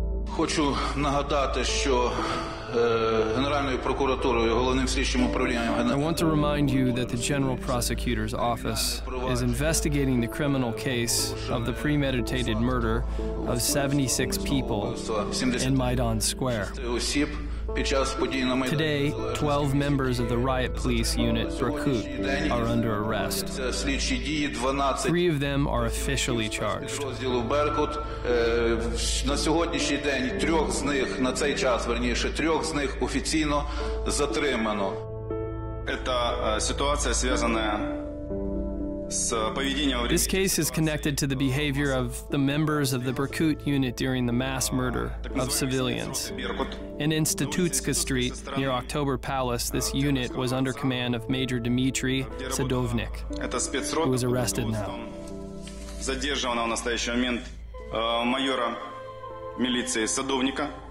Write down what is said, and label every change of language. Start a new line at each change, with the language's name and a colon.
Ukrainian: Хочу нагадати, що Генеральною прокуратурою, головним слідчим управлінням ГНР.
English: I want to remind you that the General Prosecutor's Office is investigating the criminal case of the premeditated murder of 76 people in Maidan Square. Today, 12 members of the riot police unit Berkut are under arrest. Three of them are officially charged.
Ukrainian: На сьогоднішній день трьох з них, на цей час, верніше, трьох з них офіційно затримано. Це ситуація зв'язана.
English: This case is connected to the behavior of the members of the Berkut unit during the mass murder of civilians. In Institutska Street, near October Palace, this unit was under command of Major Dmitry Sadovnik, who was arrested now.
Russian: Задержано в настоящий момент майора міліції Садовника.